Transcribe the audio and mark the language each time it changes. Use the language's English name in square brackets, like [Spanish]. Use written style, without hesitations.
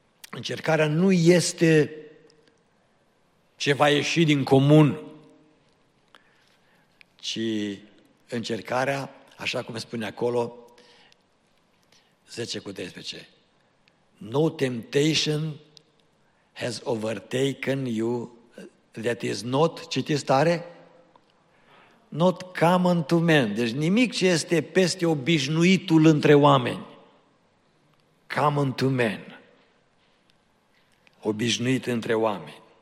[Romanian] Încercarea nu este ce va ieși din comun, ci încercarea, așa cum spune acolo, 10 cu 13. [English] No temptation has overtaken you that is not, [Romanian] citiți tare, [English] not common to men. [Romanian] Deci nimic ce este peste obișnuitul între oameni. [English] Common to men. [Romanian] Obișnuit între oameni.